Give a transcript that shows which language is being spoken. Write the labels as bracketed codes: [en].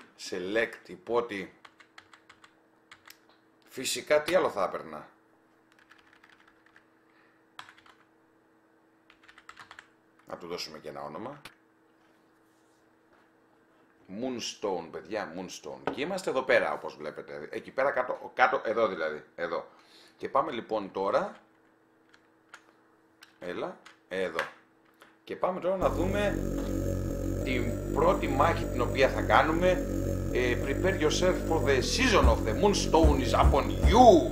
[el] Select, υπότι, φυσικά τι άλλο θα έπαιρνα. Να του δώσουμε και ένα όνομα. Moonstone, παιδιά, Moonstone. Και είμαστε εδώ πέρα, όπως βλέπετε. Εκεί πέρα κάτω, εδώ δηλαδή, εδώ. Και πάμε λοιπόν τώρα. Έλα, εδώ. Και πάμε τώρα να δούμε την πρώτη μάχη την οποία θα κάνουμε. [en] Prepare yourself for the season of the Moonstone is upon you.